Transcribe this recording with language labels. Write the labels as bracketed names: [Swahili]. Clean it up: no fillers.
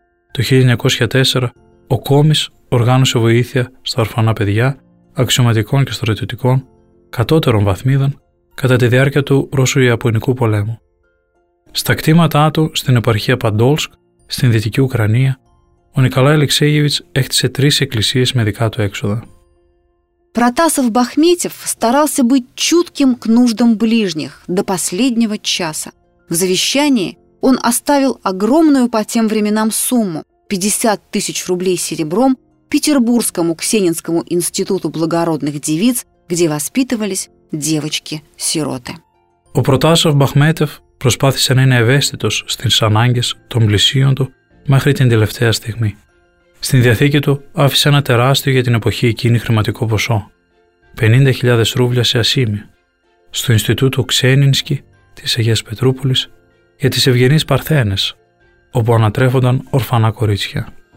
[Greek] Το 1904 ο Κόμις οργάνωσε βοήθεια στα ορφανά παιδιά, αξιωματικών και στρατιωτικών, κατώτερων βαθμίδων, κατά τη διάρκεια του Ρώσου-Ιαπωνικού πολέμου. Στα κτήματά του στην επαρχία Παντόλσκ, στην Δυτική Ουκρανία, ο Νικολάη Αλεξέγεβιτς έκτισε τρεις εκκλησίες με δικά του έξοδα. [Russian] Протасов Бахметьев старался быть чутким к нуждам ближних до последнего часа. В завещании он оставил огромную по тем временам сумму – 50 тысяч рублей серебром Петербургскому Ксенинскому институту благородных девиц, где воспитывались девочки-сироты. [Greek] Ο Протасов Бахметьев προσπάθησε να είναι ευαίσθητος στις ανάγκες των πλησίων του μέχρι την τελευταία στιγμή. Στην διαθήκη του άφησε ένα τεράστιο για την εποχή εκείνη χρηματικό ποσό, 50.000 ρούβλια σε ασίμι, στο Ινστιτούτο Ξένινσκι της Αγίας Πετρούπολης για τις Ευγενείς Παρθένες, όπου ανατρέφονταν ορφανά κορίτσια.